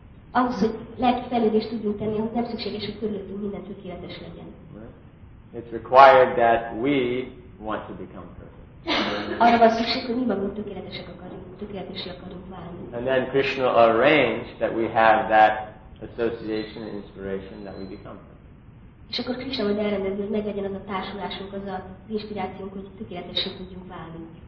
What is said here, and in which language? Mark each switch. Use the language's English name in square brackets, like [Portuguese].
[Hungarian] Ahhoz, hogy lelkifejlődést tudjunk tenni, ahhoz nem szükséges, hogy körülöttünk minden tökéletes legyen. [English] It's required that we want to become perfect. [Hungarian] Arra van szükség, hogy mi magunk tökéletesek akarunk válni. [English] And then Krishna will arrange that we have that association and inspiration that we become perfect. [Hungarian] És akkor Krishna majd elrendezi, hogy meglegyen az a társulásunk, az a inspirációnk, hogy tökéletesek tudjunk válni.